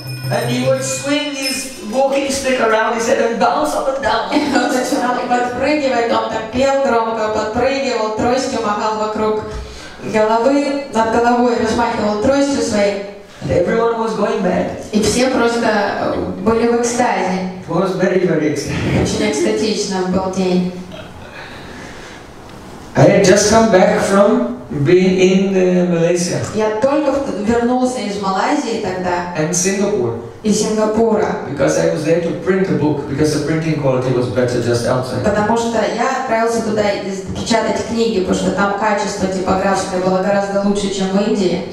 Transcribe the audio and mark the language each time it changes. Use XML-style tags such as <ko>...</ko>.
<en>And he would swing his walking stick around his head and bounce up and down.</en> <ru>И он начинал подпрыгивать, он так пел громко, подпрыгивал, тростью махал вокруг головы, над головой размахивал тростью своей.</ru> <en>And everyone was going mad.</en> <ru>И все просто были в экстазе.</ru> <en>It was very, very ecstatic. I had just come back from being in Malaysia.</en> <ru>Я только вернулся из Малайзии тогда.</ru> <en>And Singapore.</en> <ru>И Сингапура.</ru> <en>Because I was there to print a book because the printing quality was better just outside.</en> <ru>Потому что я отправился туда печатать книги, потому что там качество типографское было гораздо лучше, чем в Индии.</ru>